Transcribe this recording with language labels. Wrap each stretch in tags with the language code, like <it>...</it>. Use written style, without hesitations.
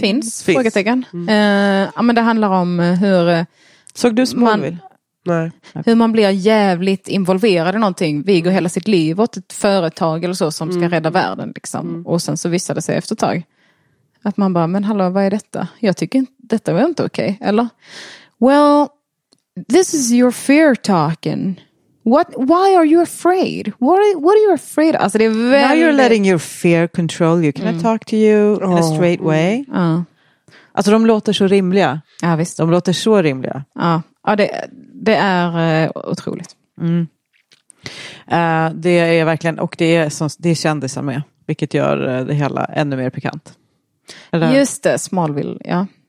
<sv>finns. Frågetecken. Mm. Men det handlar om hur... Såg du Smallville? Nej. Hur man blir jävligt involverad i någonting. Vi går hela sitt liv åt ett företag eller så som ska rädda världen. Liksom. Mm. Och sen så visade det sig efter ett tag. Att man bara, men hallå, vad är detta? Jag tycker inte, detta var inte okej. Okay, eller?</sv> <en>Well, this is your fear talking. What? Why are you afraid? What are you afraid of?</en> <sv>Alltså, det är väldigt...</sv> <en>Now you're letting your fear control you. Can I talk to you in a straight way?</en> <sv>Ja. Alltså de låter så rimliga. Ja, visst. De låter så rimliga. Ja, det är otroligt. Mm. Det är verkligen, och det är som det är kändisar med, vilket gör det hela ännu mer pikant. Eller? Just det, Smallville, ja.</sv>